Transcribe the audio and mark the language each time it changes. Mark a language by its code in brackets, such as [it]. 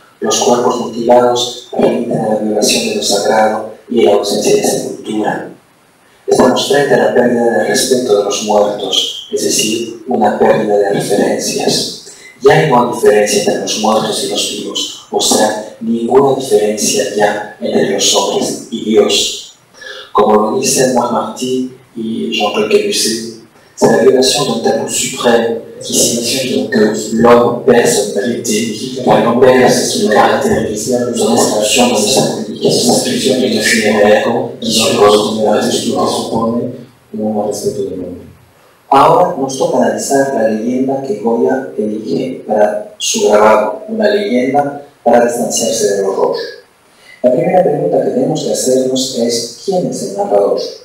[es] Los cuerpos mutilados remiten a la violación de lo sagrado y a la ausencia de sepultura. Estamos frente a la pérdida del respeto de los muertos, es decir, una pérdida de referencias. Ya no hay diferencia entre los muertos y los vivos, o sea, ninguna diferencia ya entre los hombres y Dios. Como lo dicen [fr] Montmartre y Jean-Claude Debussy, c'est la violation d'un tabou suprême qui signifie donc que l'homme perd sa vérité, qu'un homme perd ses caractéristiques, son inscription dans sa vie. [es] Y esa inscripción que yo hacía en griego, hizo el rostro de la escritura, supone un amor respeto del mundo. Ahora nos toca analizar la leyenda que Goya elige para su grabado, una leyenda para distanciarse del horror. La primera pregunta que tenemos que hacernos es: ¿quién es el narrador?